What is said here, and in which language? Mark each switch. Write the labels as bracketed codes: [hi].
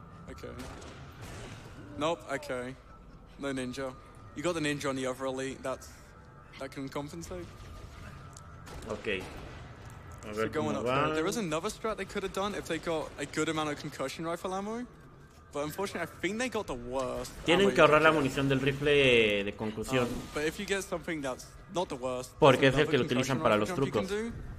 [en] Okay. Nope, okay. No ninja. You got the ninja on the other elite. That can compensate. Okay. So going up there. There was another strat they could have done if they got a good amount of concussion rifle ammo. But unfortunately, I think they got the worst. [es] Tienen que ahorrar la munición del rifle de concusión. [en] But if you get something that's not the worst. [es] Porque es el que lo utilizan para los trucos.